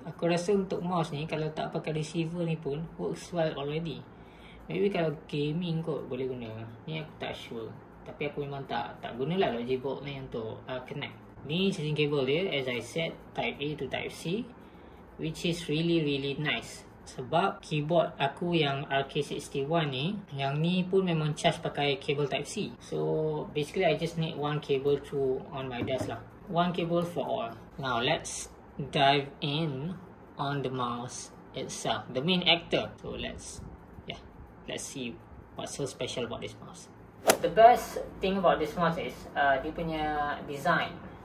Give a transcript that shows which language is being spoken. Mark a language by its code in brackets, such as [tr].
[ms] Aku rasa untuk mouse ni, kalau tak pakai receiver ni pun works well already. Maybe kalau gaming kot boleh guna. Ni aku tak sure. Tapi aku memang tak gunalah Logibook ni untuk connect. [en] Ni charging cable dia, as I said, type A to type C, which is really really nice. [ms] Sebab keyboard aku yang RK61 ni, yang ni pun memang charge pakai cable type C. [en] So basically I just need one cable to on my desk lah. One cable for all. Now let's dive in on the mouse itself, the main actor. So let's see what's so special about this mouse. The best thing about this mouse is dia punya design.